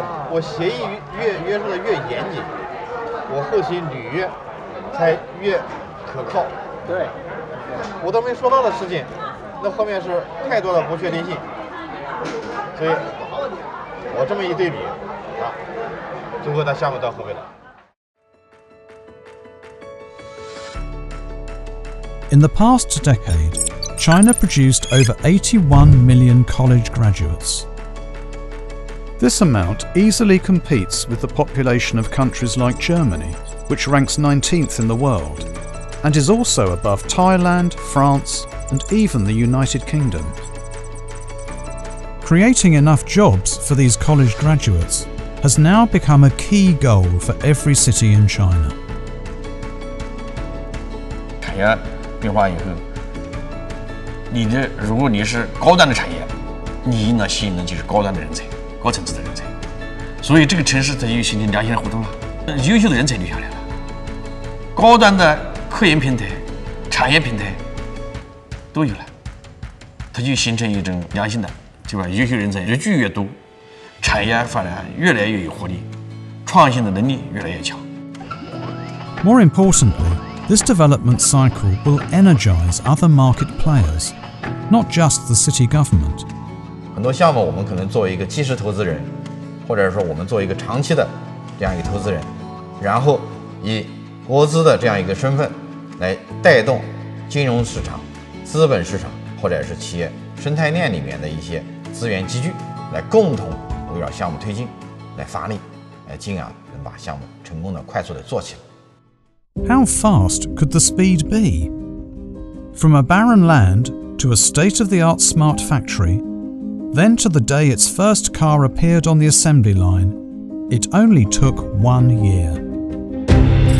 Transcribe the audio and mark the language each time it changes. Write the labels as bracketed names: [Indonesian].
[Chinese] 我协议约束的越严谨，我后期履约才越可靠。对，我都没说到的事情，那后面是太多的不确定性。所以我这么一对比啊，最后那项目到合肥了。 [English] In the past decade, China produced over 81 million college graduates. This amount easily competes with the population of countries like Germany, which ranks 19th in the world, and is also above Thailand, France, and even the United Kingdom. Creating enough jobs for these college graduates has now become a key goal for every city in China. Yeah. [Chinese] 变化以后，你的如果你是高端的产业，你应当吸引的就是高端的人才，高层次的人才，所以这个城市它就形成良性的互动了，优秀的人才留下来了，高端的科研平台、产业平台都有了，它就形成一种良性的，对吧？优秀人才越聚越多，产业发展越来越有活力，创新的能力越来越强。 [English] More importantly. This development cycle will energize other market players, not just the city government. [Chinese] 很多项目我们可能作为一个基石投资人，或者说我们作为一个长期的这样一个投资人，然后以国资的这样一个身份来带动金融市场、资本市场或者是企业生态链里面的一些资源集聚，来共同围绕项目推进来发力，来进而能把项目成功的快速的做起来。 [English] How fast could the speed be? From a barren land to a state-of-the-art smart factory, then to the day its first car appeared on the assembly line, it only took 1 year.